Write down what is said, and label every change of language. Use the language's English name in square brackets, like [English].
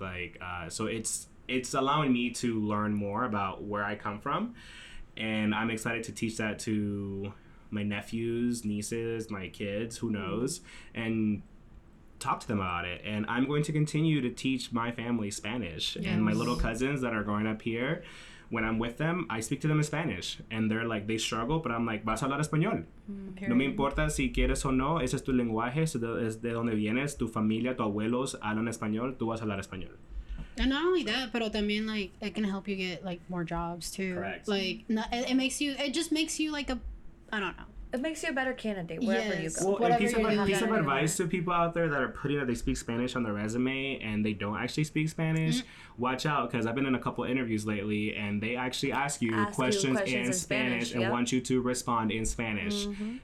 [English] Like, so it's allowing me to learn more about where I come from, and I'm excited to teach that to my nephews, nieces, my kids, who knows, and talk to them about it. And I'm going to continue to teach my family Spanish. Yes. And my little cousins that are growing up here, when I'm with them, I speak to them in Spanish. And they're like, they struggle, but I'm like, [Spanish] vas a hablar español. [English] Period. [Spanish] No me importa si quieres o no, ese es tu lenguaje, es de donde vienes, tu familia, tu abuelos hablan español, tú vas a hablar español. [English] And not only that, but también, like, it can help you get, like, more jobs too. Correct. Like, it just makes you like a, I don't know. It makes you a better candidate wherever you go. Well, whatever, piece of advice to people out there that are putting that they speak Spanish on their resume and they don't actually speak Spanish, watch out, because I've been in a couple interviews lately and they actually ask you questions in Spanish and want you to respond in Spanish. Mm-hmm.